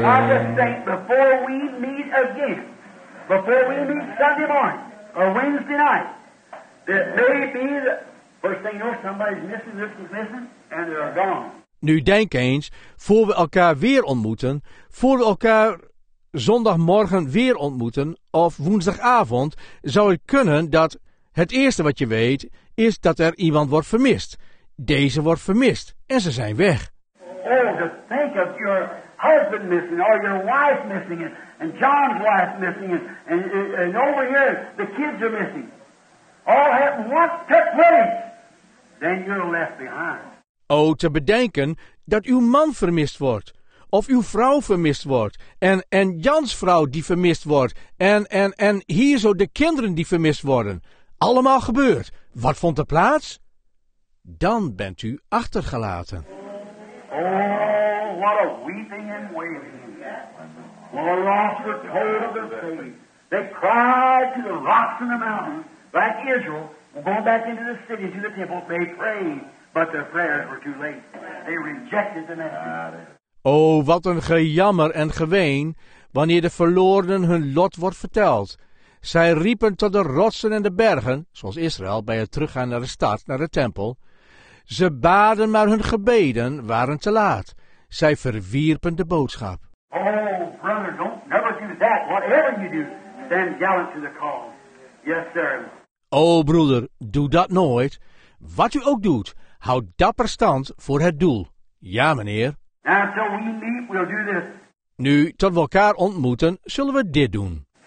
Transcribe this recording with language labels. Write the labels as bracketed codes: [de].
[en] I just think, before we meet again, before we meet Sunday morning, or Wednesday night, that may be the first thing you know, somebody's missing, this is missing, and they're gone. [nl] Nu denk eens, voor we elkaar weer ontmoeten, voor we elkaar... zondagmorgen weer ontmoeten of woensdagavond zou het kunnen dat het eerste wat je weet is dat er iemand wordt vermist. Deze wordt vermist en ze zijn weg. [en] Oh, to think of your husband missing or your wife missing it, and John's wife missing it, and over here the kids are missing. All happened once, took place, then you're left behind. [nl] Oh, te bedenken dat uw man vermist wordt. Of uw vrouw vermist wordt. En Jans vrouw die vermist wordt. En hier zo de kinderen die vermist worden. Allemaal gebeurd. Wat vond er plaats? Dan bent u achtergelaten. [en] Oh, what a weeping and wailing. Well, the lost were told of their fate. They cried to the rocks and the mountains. Like Israel, going back into the city, to the temple. They prayed, but their prayers were too late. They rejected the message. [nl] O, wat een gejammer en geween, wanneer de verlorenen hun lot wordt verteld. Zij riepen tot de rotsen en de bergen, zoals Israël bij het teruggaan naar de stad, naar de tempel. Ze baden, maar hun gebeden waren te laat. Zij verwierpen de boodschap. [en] Oh, brother, don't never do that. Whatever you do, stand gallant to the call. Yes, sir. [nl] O, broeder, doe dat nooit. Wat u ook doet, houd dapper stand voor het doel. Ja, meneer. [en] Now, till we meet, we'll do this. [nl] Nu, tot we elkaar ontmoeten, zullen we dit doen.